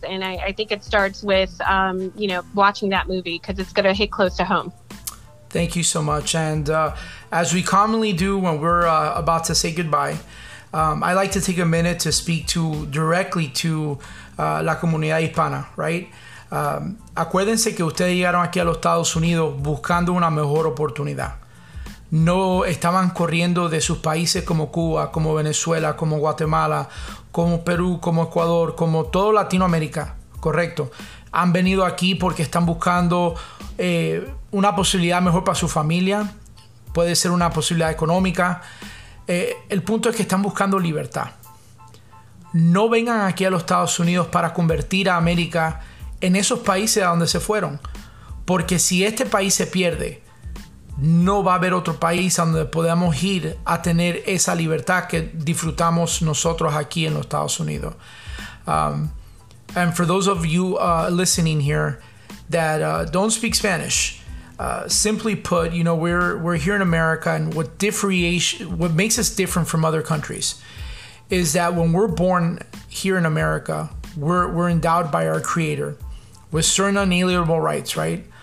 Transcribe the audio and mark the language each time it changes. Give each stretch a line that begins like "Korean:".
English: And I think it starts with, watching that movie because it's going to hit close to home. Thank you so much. And as we commonly do when we're about to say goodbye, I like to take a minute to speak directly to
Spanish: la comunidad hispana,
English: right?
Spanish: Acuérdense que ustedes llegaron aquí a los Estados Unidos buscando una mejor oportunidad. No estaban corriendo de sus países como Cuba, como Venezuela, como Guatemala, como Perú, como Ecuador, como todo Latinoamérica, correcto. Han venido aquí porque están buscando una posibilidad mejor para su familia. Puede ser una posibilidad económica. El punto es que están buscando libertad. No vengan aquí a los Estados Unidos para convertir a América en esos países a donde se fueron. Porque si este país se pierde, no va a haber otro país a donde podamos ir a tener esa libertad que disfrutamos nosotros aquí en los Estados Unidos.
English: And for those of you listening here that don't speak Spanish, simply put, you know, we're here in America, and what makes us different from other countries is that when we're born here in America, we're endowed by our Creator with certain unalienable rights, right?